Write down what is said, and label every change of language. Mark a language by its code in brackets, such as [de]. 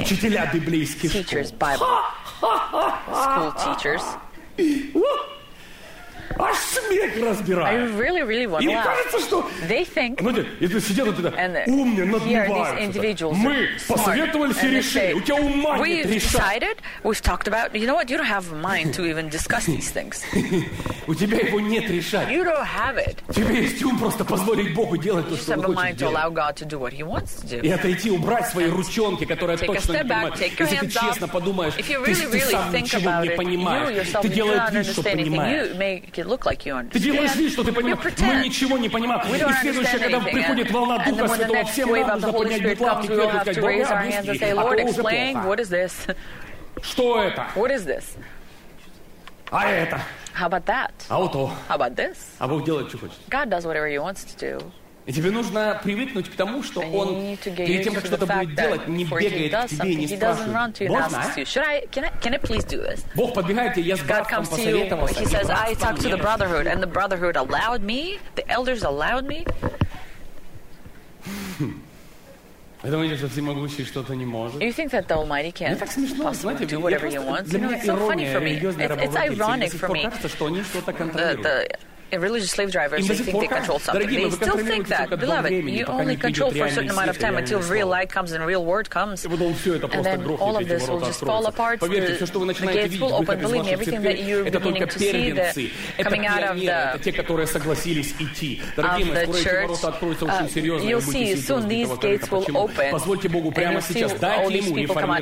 [ru] Учителя библейских школ. Аж смех разбирает. [en] I really, really want [ru] им кажется, что... [en] They think, [ru] ну, ты, если сидят вот это, умные, надмеваются. Мы посоветовались и решили. У тебя ума нет решать. [en] We've decided, we've talked about... You know what? You don't have a mind to even discuss these things. [ru] У тебя его нет решать. [en] You don't have it. [ru] У тебя есть ум просто позволить Богу делать то, что он хочет делать. [en] You have a mind to allow God to do what he wants to do. [ru] И отойти, убрать свои ручонки, которые точно не понимают. Если ты честно подумаешь, ты сам ничего не понимаешь. Ты делаешь вид, что понимаешь. [en] It look like you understand. [ru] Ты делаешь вид, что ты понимаешь. Мы ничего не понимаем. И следующее, когда приходит волна Духа Святого, всем нам нужно поднять бутылки и ответить, как Бог, объясни, а то уже плохо. Что это? [en] What is this? [ru] А это? [en] How about that? [ru] А вот то? [en] How about this? [ru] А Бог делает, что хочет. [en] God does whatever he wants to do. [ru] И тебе нужно привыкнуть к тому, что он перед тем, как что-то будет делать, не бегает к тебе и не спрашивает. Можно? Бог подбегает тебе, я с братом посоветовался. [en] He says, I talked to the brotherhood, and the brotherhood allowed me, the elders allowed me. [ru] Вы думаете, что всемогущий что-то не может? [en] You think that the Almighty can't possibly do whatever he wants? [ru] Для меня ирония, религиозная рабовладельца. [en] It's ironic for me. [ru] Мне кажется, что они что-то контролируют. [en] a religious slave drivers, they think they control something. They still think that, beloved, you only control for a certain amount of time until real light comes and real word comes, and then all of this will just fall apart. The gates will open. Believe me, everything that you're beginning to see, the coming out of the church, you'll see soon these gates will open, and you'll see all these people come out.